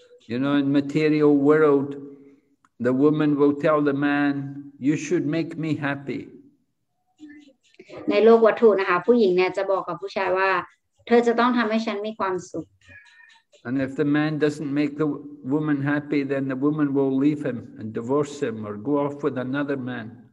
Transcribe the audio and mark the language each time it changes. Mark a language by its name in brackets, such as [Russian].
[English] You know, in material world, the woman will tell the man, you should make me happy. [Thai] ในโลกวัตถุนะคะผู้หญิงเนี่ยจะบอกกับผู้ชายว่าเธอจะต้องทำให้ฉันมีความสุข [English] And if the man doesn't make the woman happy, then the woman will leave him and divorce him or go off with another man.